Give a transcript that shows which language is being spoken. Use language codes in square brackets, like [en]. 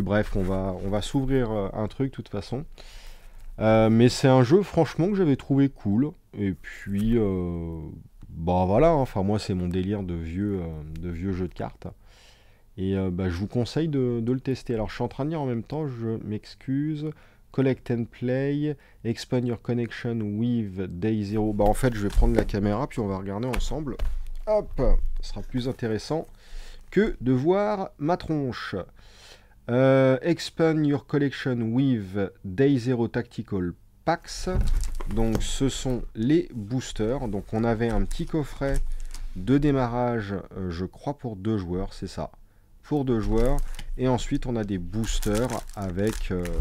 [fr] Bref, on va s'ouvrir un truc de toute façon. Mais c'est un jeu, franchement, que j'avais trouvé cool. Et puis, voilà. Hein. Enfin, moi, c'est mon délire de vieux jeu de cartes. Et je vous conseille de le tester. Alors, je suis en train de dire en même temps, je m'excuse. [en] Collect and play. Expand your connection with Day Zero. [fr] En fait, je vais prendre la caméra, puis on va regarder ensemble. Hop, ce sera plus intéressant que de voir ma tronche. [en] Expand your collection with Day Zero Tactical Packs. [fr] Donc ce sont les boosters. Donc on avait un petit coffret de démarrage, je crois pour deux joueurs, c'est ça. Pour deux joueurs. Et ensuite on a des boosters avec...